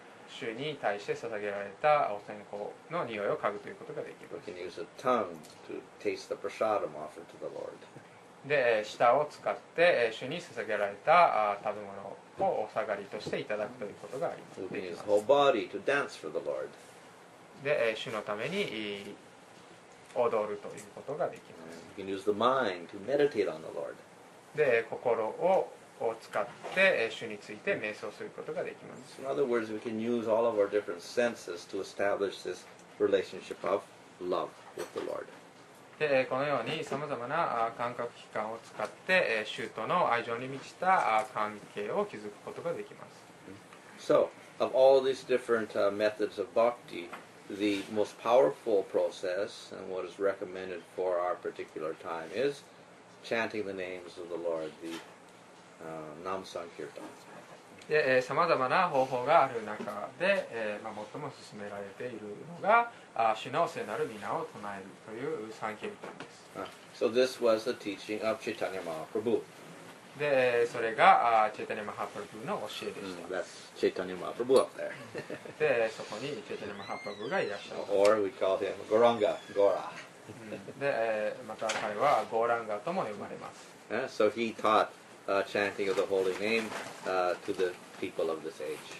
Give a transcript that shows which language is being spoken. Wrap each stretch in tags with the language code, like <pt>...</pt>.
<ja>主に対して捧げられたお線香の匂いを嗅ぐということができる。</ja> <en>You can use a tongue to taste the prasadam offered to the Lord.</en> <ja>で、舌を使って主に捧げられた食べ物をお下がりとしていただくということがあります。</ja> <en>You can use whole body to dance for the Lord.</en> <ja>で、主のために踊るということができます。</ja> <en>You can use the mind to meditate on the Lord.</en> <ja>で、心を使って主について瞑想することができます。</ja> <en>So in other words, we can use all of our different senses to establish this relationship of love with the Lord.</en> <ja>で、このようにさまざまな感覚器官を使って主との愛情に満ちた関係を築くことができます。</ja> <en>So, of all these different methods of bhakti, the most powerful process and what is recommended for our particular time is chanting the names of the Lord. The南山キルタン。</en> <ja>で、さまざまな方法がある中で、まあ、最も勧められているのが、主の聖なる皆を唱えるという三キルタンです。</ja> <en>So this was the teaching of Chaitanya Mahaprabhu.</en> <ja>で、それがChaitanya Mahaprabhu の教えでした。</ja> <en>That's Chaitanya Mahaprabhu up there.</en> <ja>で、そこにChaitanya Mahaprabhu がいらっしゃ</ja> <en>る。Or we call him Goranga, Gora.</en> <ja>で、また彼はゴーランガとも呼ばれます。</ja> <en>So he taughtchanting of the holy name to the people of this age.</en>